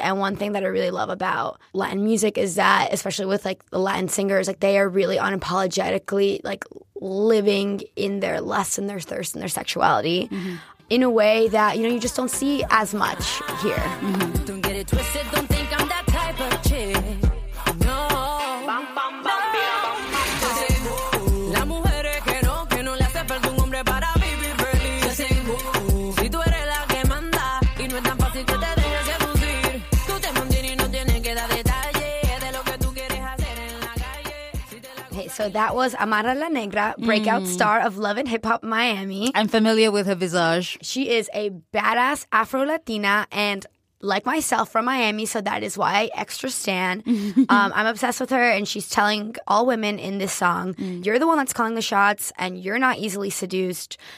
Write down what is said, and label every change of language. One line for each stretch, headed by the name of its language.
English: And one thing that I really love about Latin music is that, especially with like the Latin singers, like they are really unapologetically like living in their lust and their thirst and their sexuality. Mm-hmm. In a way that, you know, you just don't see as much here. Mm-hmm. Don't get it twisted, don't think I'm that type of chick. No. Bam, bam, bam, no. Bam, bam, bam.
Spanish: La mujer es que no le hace falta un hombre para vivir feliz. Yo tengo. Si tú eres la que manda y no es tan fácil que te dejes seducir. Tú te mantienes y no tienes que dar detalle de lo que tú quieres hacer en la calle.
English: So that was Amara La Negra, breakout star of Love & Hip Hop Miami. I'm familiar with her visage. She is a badass Afro-Latina, and like myself from Miami, so that is why I extra stan. I'm obsessed with her, and she's telling all women in this song, you're the one that's calling the shots, and you're not easily seduced.